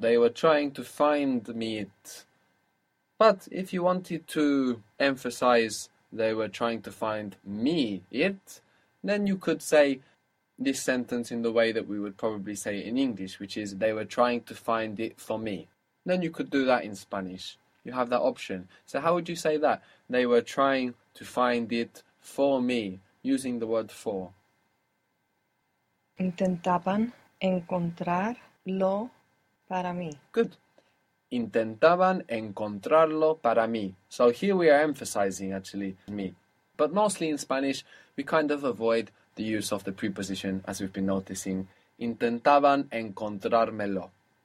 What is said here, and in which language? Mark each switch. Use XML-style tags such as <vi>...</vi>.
<en>They were trying to find me it. But if you wanted to emphasize they were trying to find me it, then you could say this sentence in the way that we would probably say it in English, which is they were trying to find it for me. Then you could do that in Spanish. You have that option. So how would you say that? They were trying to find it for me, using the word for.</en> <es>Intentaban encontrarlo para mí.</es> <en>Good.</en> <es>Intentaban encontrarlo para mí.</es> <en>So here we are emphasizing actually me. But mostly in Spanish, we kind of avoid the use of the preposition, as we've been noticing. Intentaban encontrármelo.</en>